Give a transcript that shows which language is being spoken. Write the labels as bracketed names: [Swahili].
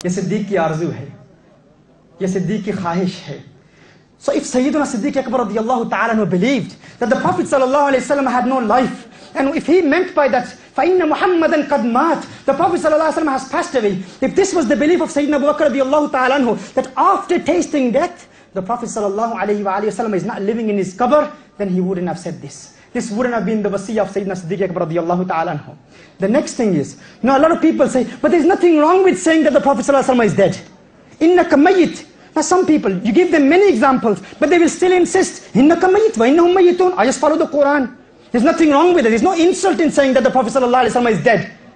[Urdu] یہ صدیق کی آرزو ہے، یہ صدیق کی خواہش ہے. [English] So if سیدنا Siddiq Akbar رضی اللہ تعالیٰ عنہ believed that the Prophet صلی اللہ علیہ وسلم had no life, and if he meant by that [Arabic] فَإِنَّ مُحَمَّدًا قَدْ مَاتْ, [English] the Prophet صلی اللہ علیہ وسلم has passed away, if this was the belief of سیدنا ابو بکر رضی اللہ تعالیٰ عنہ that after tasting death the Prophet صلی اللہ علیہ وآلہ وسلم is not living in his قبر, then he wouldn't have said this. This wouldn't have been the wasiyah of سیدنا صدیق اکبر رضی اللہ تعالیٰ عنہ. The next thing is, you know, a lot of people say, but there's nothing wrong with saying that the Prophet صلی اللہ علیہ وسلم is dead. [Arabic] إِنَّكَ مَيِّتْ. [English] Now some people, you give them many examples, but they will still insist, [Arabic] إِنَّكَ مَيِّتْ وَإِنَّهُمْ مَيِّتُونَ. [English] I just follow the Quran. There's nothing wrong with it. There's no insult in saying that the Prophet صلی اللہ علیہ وسلم is dead.